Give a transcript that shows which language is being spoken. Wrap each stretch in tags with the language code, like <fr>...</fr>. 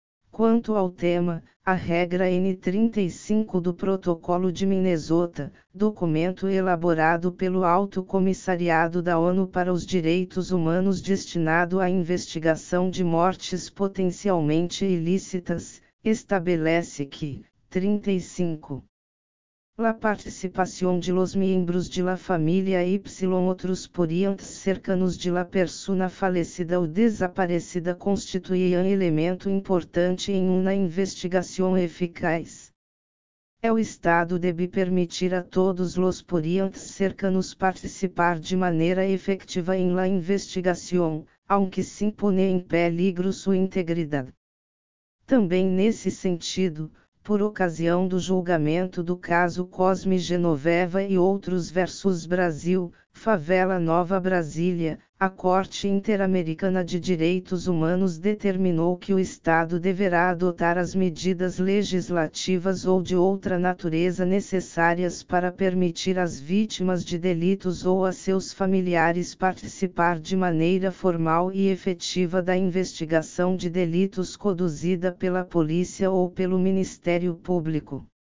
<pt>Quanto ao tema, a regra N35 do Protocolo de Minnesota, documento elaborado pelo Alto Comissariado da ONU para os Direitos Humanos destinado à investigação de mortes potencialmente ilícitas, estabelece que, 35.</pt> <es>La participación de los miembros de la familia y otros parientes cercanos de la persona fallecida o desaparecida constituían elemento importante en una investigación eficaz. El Estado debe permitir a todos los parientes cercanos participar de manera efectiva en la investigación, aunque se impone en peligro su integridad.</es> <pt>También nesse sentido, por ocasião do julgamento do caso Cosme Genoveva e outros versus Brasil, Favela Nova Brasília, a Corte Interamericana de Direitos Humanos determinou que o Estado deverá adotar as medidas legislativas ou de outra natureza necessárias para permitir às vítimas de delitos ou a seus familiares participar de maneira formal e efetiva da investigação de delitos conduzida pela polícia ou pelo Ministério Público.</pt>